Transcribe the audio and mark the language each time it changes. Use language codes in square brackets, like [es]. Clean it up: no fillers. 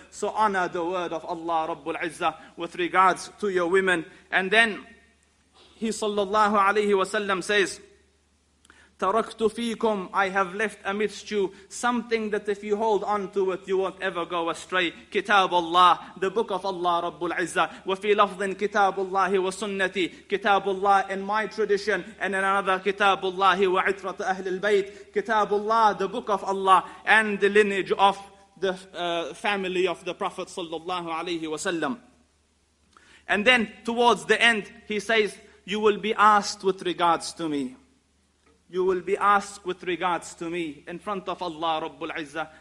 [en] So honor the word of Allah, Rabbul Izzah, with regards to your women. And then he sallallahu alayhi wa sallam says, [ar] تَرَكْتُ فِيكُمْ, [en] I have left amidst you something that if you hold on to it, you won't ever go astray. [ar] كتاب الله, [en] the book of Allah, [ar] رب العزة. وَفِي لَفْظٍ كِتَابُ اللَّهِ وَسُنَّتِي, كتاب الله [en] in my tradition, and in another, [ar] كتاب الله وعترة أهل البيت. كتاب الله, [en] the book of Allah, and the lineage of the family of the Prophet صلى الله عليه وسلم. And then towards the end, he says, you will be asked with regards to me. You will be asked with regards to me in front of Allah Rabbul Izzah.